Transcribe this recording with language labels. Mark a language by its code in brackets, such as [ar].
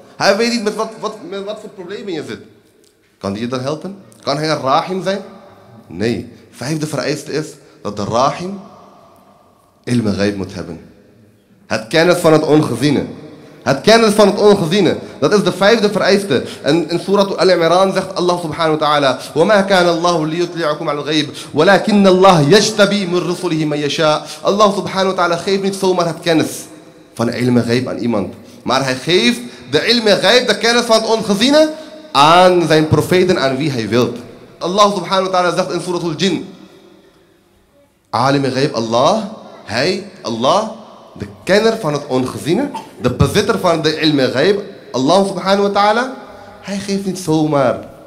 [nl] Hij weet niet met wat voor problemen je zit. Kan die je dan helpen? Kan hij een rahim zijn? Nee. Vijfde vereiste is dat de rahim ilm ghaib moet hebben. Het kennis van het ongeziene. Het kennis van het ongeziene. Dat is de vijfde vereiste. En in surat Al-Imran zegt Allah subhanahu wa ta'ala [ar] وَمَا كَانَ اللَّهُ لِيُطْلِعَكُمْ عَلَى الْغَيْبِ وَلَكِنَّ اللَّهُ يَجْتَبِي مِنْ رُسُلِهِ مَنْ يَشَاءُ. [nl] Allah subhanahu wa ta'ala geeft niet zomaar het kennis van ilm ghaib aan iemand. Maar hij geeft de ilme ghaib, de kennis van het ongeziene, aan zijn profeten, aan wie hij wil. Allah subhanahu wa ta'ala zegt in surat al-jin. Alim ghaib Allah, hij, Allah, de kenner van het ongeziene, de bezitter van de ilme ghaib, Allah subhanahu wa ta'ala, hij geeft niet zomaar.